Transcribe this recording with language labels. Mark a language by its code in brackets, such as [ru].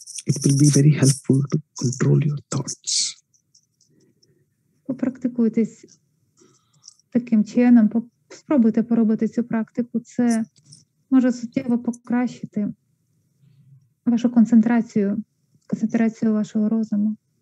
[en] It will be very helpful to control your thoughts. [uk] Попрактикуйтесь таким чином. Спробуйте поробити цю практику. Це може суттєво покращити вашу концентрацію, концентрацію вашого розуму.